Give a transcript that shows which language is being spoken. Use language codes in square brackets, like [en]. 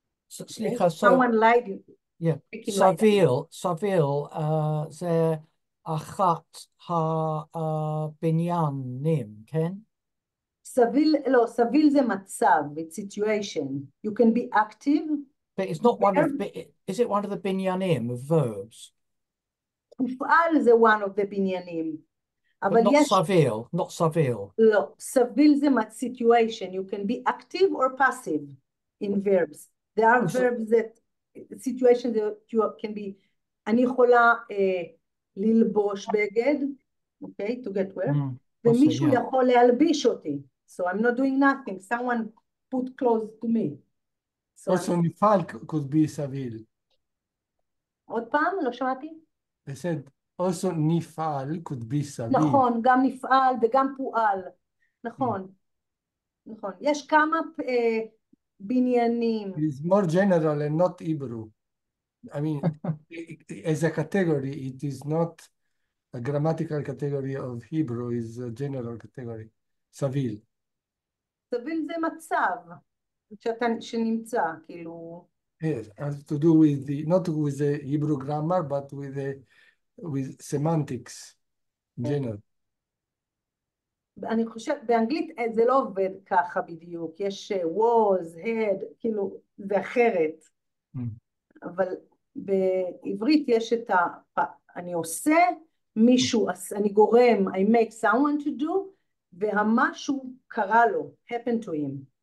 [he] סליחה, סביל, סביל, זה אחת הבניינים, כן? סביל, לא, סביל זה מצב, [en] it's situation. You can be active. But it's not one of, is it one of the binyanim of verbs? [he] הופעל זה [en] one of the binyanim. But not סביל, not סביל. [he] לא, סביל זה מה situation. [en] You can be active or passive in verbs. There are verbs that, situation that you can be, [he] אני יכולה ללבוש בגד, [en] okay, to get wear. [he] ומישהו יכול להלביש אותי. [en] So I'm not doing nothing. Someone put clothes to me. So also, נפעל could be סביל. [he] עוד פעם? לא שמעתי? [en] I said, also, נפעל could be סביל. [he] נכון, גם נפעל וגם פועל. נכון. נכון. יש כמה בניינים. [en] It's more general and not Hebrew. I mean, as a category, it is not a grammatical category of Hebrew, it's a general category. [he] סביל. סביל זה מצב. שאתה, שנמצא, כאילו... [en] Yes, has to do with the, not with the Hebrew grammar, but with the, with semantics, in general. [he] אני חושב, באנגלית זה לא עובד ככה בדיוק, יש was, had, כאילו, זה אחרת. אבל בעברית יש את ה... אני עושה, מישהו, אני גורם, [en] I make someone to do, [he] והמשהו קרה לו, [en] happened to him.